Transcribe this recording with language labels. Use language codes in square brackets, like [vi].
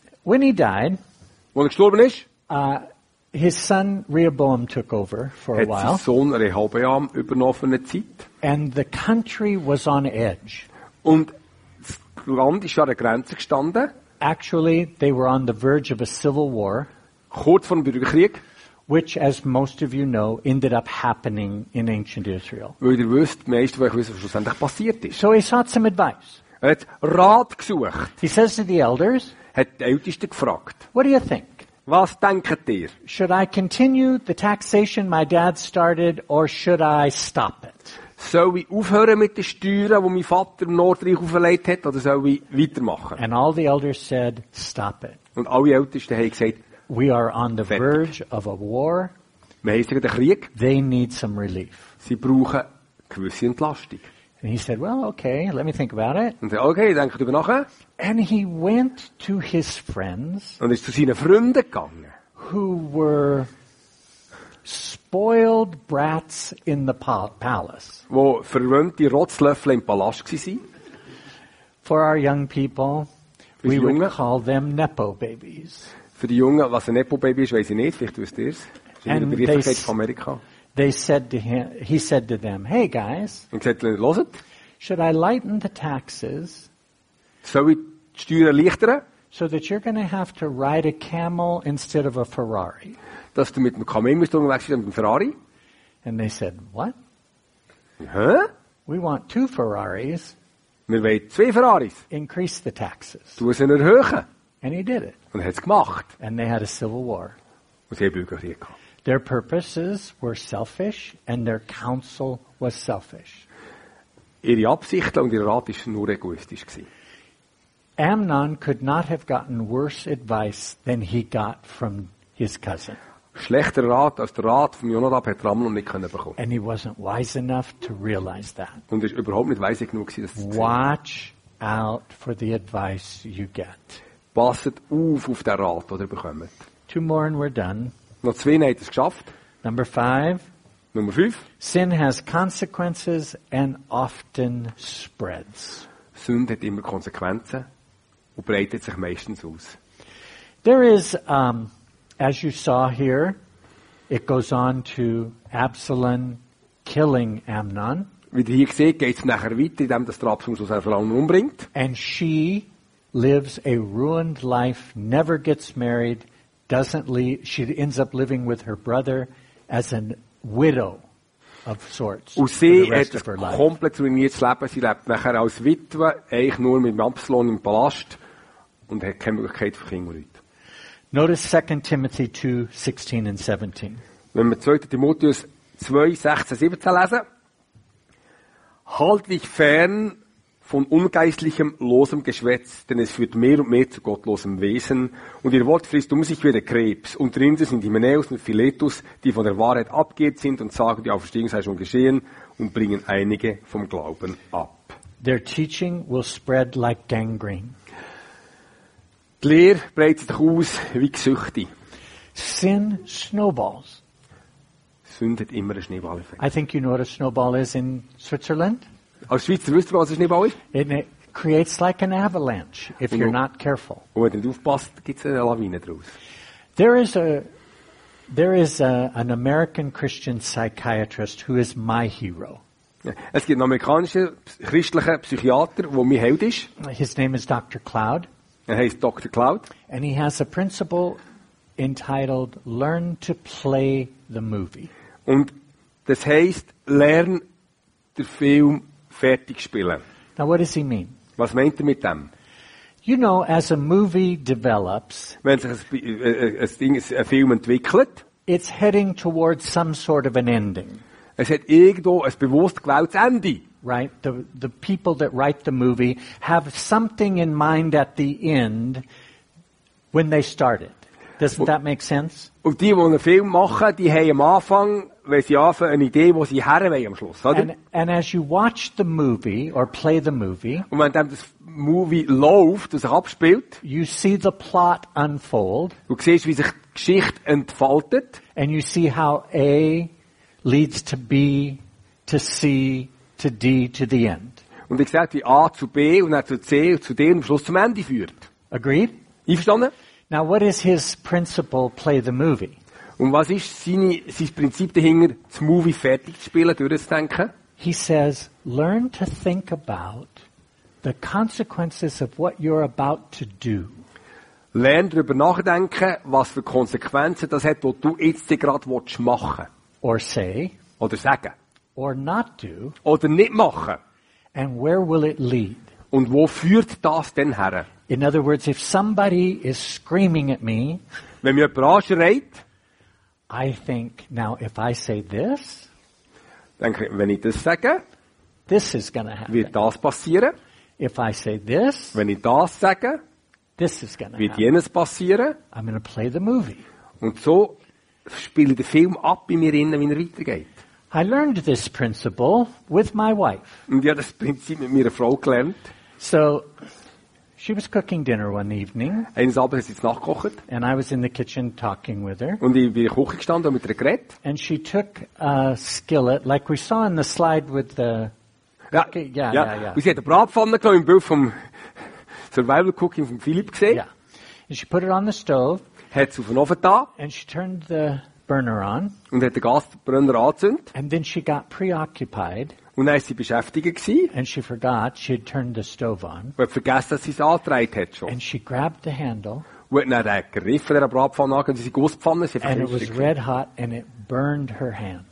[en] When he died, [de] wo er gestorben ist, [en] His son Rehoboam took over for a while. [de] Sein Sohn Rehoboam übernommen für eine Zeit. [en] And the country was on edge. [de] Und das Land ist an der Grenze gestanden. [en] Actually, they were on the verge of a civil war. [de] Kurz vor dem Bürgerkrieg. [en] Which, as most of you know, ended up happening in ancient Israel. [de] Weil ihr wisst, meistens, was schlussendlich passiert ist. [en] So he sought some advice. [de] Er hat Rat gesucht. [en] He says to the elders. [de] Hat die Ältesten gefragt. [en] What do you think? [de] Was denkt ihr? [en] Should I continue the taxation my dad started or should I stop it? [de] Soll ich aufhören mit den Steuern, die mein Vater im Nordreich auferlegt hat, oder soll ich weitermachen? [en] And all the elders said, stop it. [de] Und alle Ältesten haben gesagt, [en] we are on the verge of a war. [de] Wir haben gerade Krieg. [en] They need some relief. [de] Sie brauchen gewisse Entlastung. [en] And he said, well, okay, let me think about it. [de] Und okay, denk darüber nach. [en] And he went to his friends. [de] Und ist zu seinen Freunden gegangen. [en] Who were spoiled brats in the palace. [de] Wo verwöhnte Rotzlöffel im Palast gsi sind. [en] For our young people, [de] für [en] we [de] Jungen, [en] would call them Nepo babies. [de] Für die Jungen, was ein Nepo Baby ist, weiß ich nicht, vielleicht wisst ihr es. In der Begrifflichkeit von Amerika. [en] They said to him, he said to them, hey guys, [de] und gesagt, loset, [en] should I lighten the taxes, [de] soll ich die Steuern erleichtern, [en] so that you're going to have to ride a camel instead of a Ferrari. [de] Dass du mit dem Kamel musst unterwegs sein, mit dem Ferrari. [en] And they said, what? Huh? We want two Ferraris. [de] Wir wollen zwei Ferraris. [en] Increase the taxes. [de] Du musst ihn erhöhen. [en] And he did it. [de] Und er hat es gemacht. [en] And they had a civil war. [de] Und sie haben Bürgerkrieg gehabt. [en] Their purposes were selfish and their counsel was selfish. [de] Ihre Absichten und ihr Rat ist nur egoistisch gewesen. [en] Amnon could not have gotten worse advice than he got from his cousin. [de] Schlechter Rat als der Rat von Jonadab hat Amnon nicht können bekommen. [en] And he wasn't wise enough to realize that. [de] Und ist überhaupt nicht weise genug gewesen, das zu sehen. [en] Watch out for the advice you get. [de] Passet auf den Rat, den ihr bekommt. [en] Two more and we're done. [de] Noch zwei hat es geschafft. [en] Number five. Sin has consequences and often spreads. [de] Sünde hat immer Konsequenzen und breitet sich meistens aus. [en] There is, as you saw here, it goes on to Absalom killing Amnon. [de] Wie du hier gesehen, geht es nachher weiter, indem das Absalom so seine Frau umbringt. [en] And she lives a ruined life, never gets married. Doesn't leave, she ends up living with her brother as a widow of sorts. [de] Und sie [en] for the rest [de] hat [en] of her life. [de] Komplett ruiniertes Leben. Sie lebt nachher als Witwe, eigentlich nur mit Absalom im Palast und hat keine Möglichkeit für Kinder und Leute. [en] Notice 2 Timothy 2:16 and 17. [de] Wenn wir 2. Timotheus 2, 16, 17 lesen, halt dich fern von ungeistlichem, losem Geschwätz, denn es führt mehr und mehr zu gottlosem Wesen, und ihr Wort frisst um sich wie der Krebs. Und drin sind Hymenäus und Philetus, die von der Wahrheit abgeirrt sind und sagen, die Auferstehung sei schon geschehen, und bringen einige vom Glauben ab. [en] Their teaching will spread like gangrene. [de] Die Lehre breitet sich aus wie Gesüchte. [en] Sin snowballs. [de] Sünde hat immer einen Schneeball-Effekt. [en] I think you know what a snowball is in Switzerland. [de] Als Schweizer wisst ihr, was ein Schneeball ist? [en] And it creates like an avalanche if you're not careful. [de] Und wenn du nicht aufpasst, gibt's eine Lawine draus. [en] There is an American Christian psychiatrist who is my hero. [de] Es gibt einen amerikanischen christlichen Psychiater, der mein Held ist. [en] His name is Dr. Cloud. [de] Er heißt Dr. Cloud. [en] And he has a principle entitled "Learn to play the movie." [de] Und das heißt, lern den Film fertig spielen. [en] Now, what does he mean? [de] Was meint er mit dem? [en] You know, as a movie develops, [de] wenn sich ein Film entwickelt, [en] it's heading towards some sort of an ending. [de] Es hat irgendwo ein bewusst gewähltes Ende. [en] Right, the people that write the movie have something in mind at the end when they start it. Doesn't that make sense? [de] Und die, die einen Film machen, die haben am Anfang, wenn sie anfangen, eine Idee, wo sie her wollen am Schluss, oder? [en] And as you watch the movie or play the movie, [de] und wenn dann das Movie läuft, das sich abspielt, [en] you see the plot unfold, [de] du siehst, wie sich die Geschichte entfaltet, [en] and you see how A leads to B to C to D to the end. [de] Und ich sehe, wie A zu B und dann zu C und zu D und am Schluss zum Ende führt. [en] Agreed? [de] Einverstanden? [en] Now, what is his principle, play the movie? [de] Und was ist sein Prinzip dahinter, das Movie fertig zu spielen, durchzudenken? [en] He says, learn to think about the consequences of what you're about to do. [de] Lern darüber nachdenken, was für Konsequenzen das hat, was du jetzt gerade machen willst. [en] Or say. [de] Oder sagen. [en] Or not do. [de] Oder nicht machen. [en] And where will it lead? [de] Und wo führt das denn her? [en] In other words, if somebody is screaming at me, [de] wenn mir jemand anschreit, [en] I think, now if I say this, [de] dann, wenn ich das sage, [en] this is gonna happen. [de] Wird das passieren. [en] If I say this, [de] wenn ich das sage, [en] this is gonna [de] wird jenes passieren. [en] I'm gonna play the movie. [de] Und so spiele ich den Film ab in mir innen, wenn er weitergeht. [en] I learned this principle with my wife. [de] Und ich habe das Prinzip mit meiner Frau gelernt. [en] So, she was cooking dinner one evening. [de] Eines Abends hat sie nachgekocht. [en] And I was in the kitchen talking with her. [de] Und ich bin in der Küche gestanden und mit ihr geredet. [en] And she took a skillet, like we saw in the slide with the cooking. [de] Ja. Und sie hat eine Bratpfanne genommen im Bild vom Survival Cooking von Philipp gesehen. [en] Yeah. And she put it on the stove. [de] Hat sie auf den Ofen da. [en] And she turned the burner on. [de] Und hat den Gasbrenner angezündet. [en] And then she got preoccupied. [de] Und dann war sie beschäftigt. [en] And she forgot she had turned the stove on. [de] Und hat vergessen, dass sie es angedreht hat schon. [en] And she grabbed the handle. [de] Und hat dann den Griff der Bratpfanne angenommen, diese Gusspfanne. [en] And it was red hot and it burned her hand.